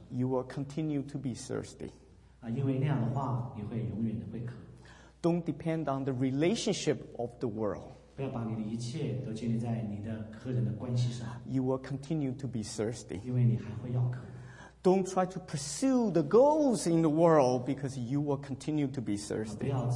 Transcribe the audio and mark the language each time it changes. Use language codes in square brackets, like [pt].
[en] You will continue to be thirsty. [zh] 因为那样的话，你会永远的会渴。 [en] Don't depend on the relationship of the world. [zh] 不要把你的一切都建立在你的客人的关系上。 [en] You will continue to be thirsty. [zh] 因为你还会要渴。 [en] Don't try to pursue the goals in the world because you will continue to be thirsty.